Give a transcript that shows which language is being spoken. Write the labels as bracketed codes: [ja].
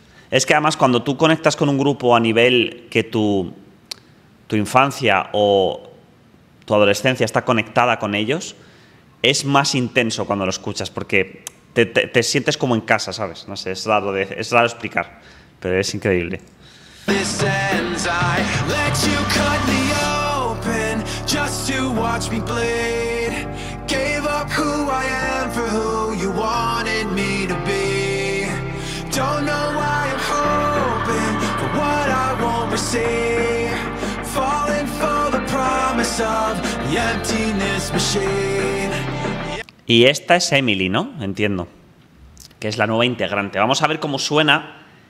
[es] Es que además cuando tú conectas con un grupo a nivel que tu infancia o tu adolescencia está conectada con ellos, es más intenso cuando lo escuchas porque te sientes como en casa, ¿sabes? No sé, es raro explicar, pero es increíble. [en] This ends, I let you cut me open just to watch me bleed. Gave up who I am for who you wanted me to be. Don't know why I'm hoping for what I won't receive. Falling for the promise of the emptiness machine. [es] Y esta es Emily, ¿no? Entiendo. Que es la nueva integrante. Vamos a ver cómo suena.